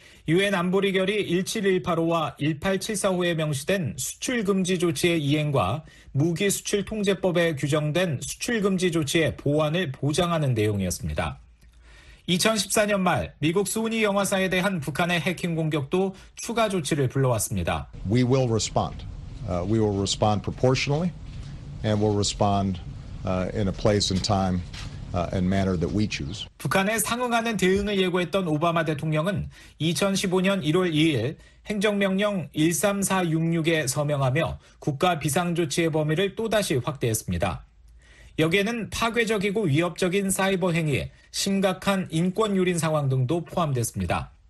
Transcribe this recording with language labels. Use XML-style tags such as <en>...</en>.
<ko>유엔 안보리 결의 1718호와 1874호에 명시된 수출금지 조치의 이행과 무기수출통제법에 규정된 수출금지 조치의 보완을 보장하는 내용이었습니다. 2014년 말 미국 소니 영화사에 대한 북한의 해킹 공격도 추가 조치를 불러왔습니다.</ko> <en>We will respond. We will respond proportionally and we'll respond in a place and time. And manner that we choose.</en> <ko>북한에 상응하는 대응을 예고했던 오바마 대통령은 2015년 1월 2일 행정명령 13466에 서명하며 국가 비상조치의 범위를 또다시 확대했습니다. 여기에는 파괴적이고 위협적인 사이버 행위, 심각한 인권 유린 상황 등도 포함됐습니다.</ko>